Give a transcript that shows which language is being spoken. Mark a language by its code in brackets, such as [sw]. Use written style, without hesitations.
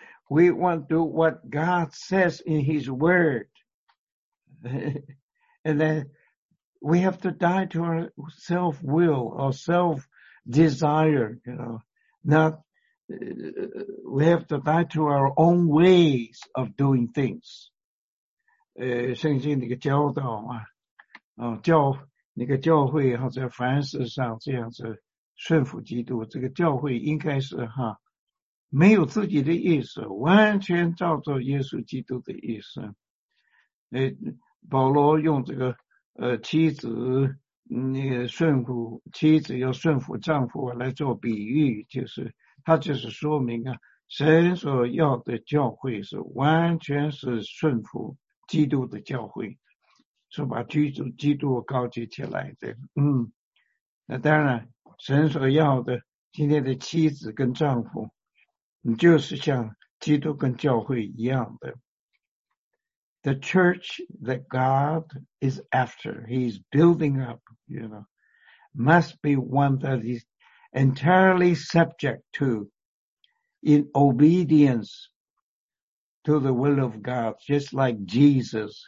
[en] We want to do what God says in His Word. And then we have to die to our self-will or self-desire, you know, not, we have to die to our own ways of doing things. [zh] 圣经那个教导嘛、啊、教那个教会哈，在凡事上这样子顺服基督，这个教会应该是哈，没有自己的意思，完全照着耶稣基督的意思。保罗用这个妻子那个顺服妻子要顺服丈夫来做比喻，就是他就是说明啊，神所要的教会是完全是顺服基督的教会，是把基督高举起来的。那当然神所要的今天的妻子跟丈夫，你就是像基督跟教会一样的。 [en] The church that God is after, He's building up, you know, must be one that is entirely subject to, in obedience to the will of God, just like Jesus.